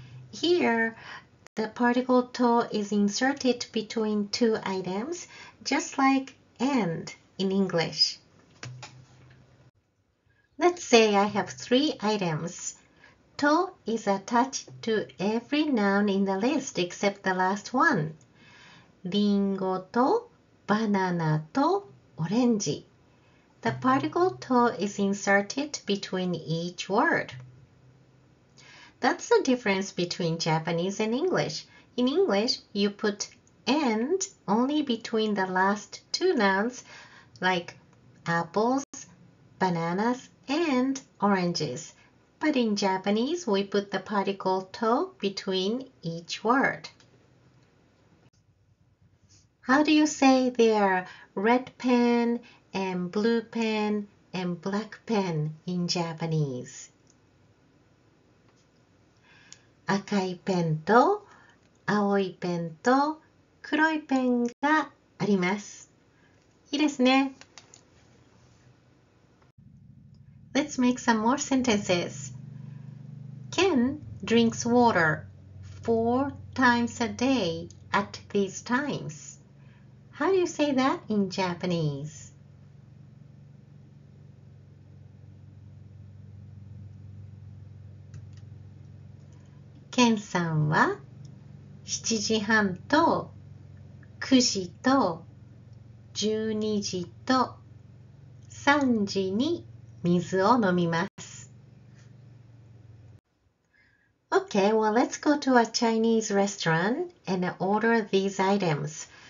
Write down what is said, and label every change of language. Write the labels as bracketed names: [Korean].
[English] Here, the particle to is inserted between two items, just like and in English. Let's say I have three items. To is attached to every noun in the list except the last one. [Japanese] リンゴとバナナとオレンジ. [English] The particle to is inserted between each word. That's the difference between Japanese and English. In English, you put and only between the last two nouns like apples, bananas, and oranges. But in Japanese, we put the particle to between each word. How do you say there red pen and blue pen and black pen in Japanese? [Japanese] 赤いペンと青いペンと黒いペンがあります。いいですね。 [English] Let's make some more sentences. Ken drinks water 4 times a day at these times. How do you say that in Japanese? [Japanese] Ken さんは7時半と9時と12時と3時に水を飲みます。 [English] Okay, well, let's go to a Chinese restaurant and order these items.